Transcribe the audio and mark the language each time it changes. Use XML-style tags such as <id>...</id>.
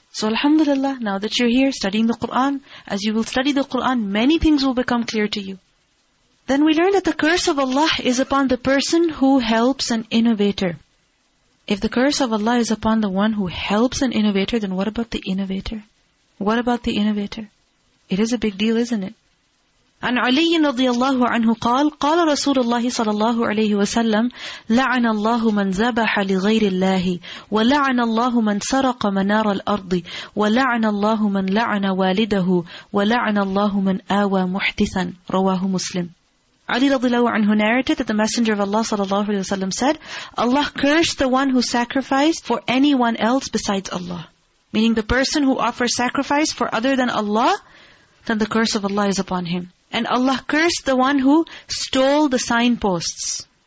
<en>So alhamdulillah, now that you're here studying the Qur'an, as you will study the Qur'an, many things will become clear to you. Then we learn that the curse of Allah is upon the person who helps an innovator. If the curse of Allah is upon the one who helps an innovator, then what about the innovator? What about the innovator? It is a big deal, isn't it?</en> <ar>عن علي رضي الله عنه قال قال رسول الله صلى الله عليه وسلم لعن الله من ذبح لغير الله ولعن الله من سرق منار الأرض ولعن الله من لعن والده ولعن الله من آوى محدثا رواه مسلم.</ar> <en>Ali</en> <ar>رضي الله عنه</ar> <en>narrated that the Messenger of Allah</en> <ar>صلى الله عليه وسلم</ar> <en>said, Allah cursed the one who sacrificed for anyone else besides Allah. Meaning the person who offers sacrifice for other than Allah, then the curse of Allah is upon him. And Allah cursed the one who stole the signposts.</en>